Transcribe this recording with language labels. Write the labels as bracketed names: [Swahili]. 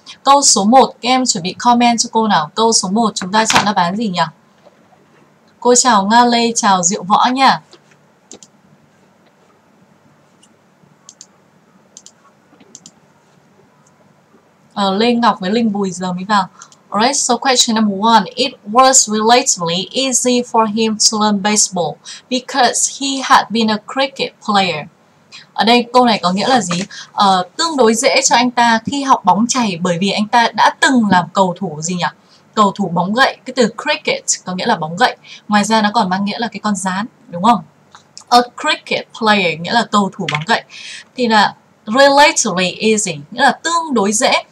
[Vietnamese] Câu số 1, các em chuẩn bị comment cho cô nào. Câu số 1 chúng ta chọn đáp án gì nhỉ? Cô chào Nga Lê, chào Diệu Võ nha. Lê Ngọc với Linh Bùi giờ mới vào. [English] Alright, so question number one. It was relatively easy for him to learn baseball because he had been a cricket player. [Vietnamese] Ở đây câu này có nghĩa là gì? Tương đối dễ cho anh ta khi học bóng chày bởi vì anh ta đã từng làm cầu thủ gì nhỉ? Cầu thủ bóng gậy. Cái từ cricket có nghĩa là bóng gậy. Ngoài ra nó còn mang nghĩa là cái con dán, đúng không? [English] A cricket player [Vietnamese] nghĩa là cầu thủ bóng gậy. Thì là [English] relatively easy [Vietnamese] nghĩa là tương đối dễ.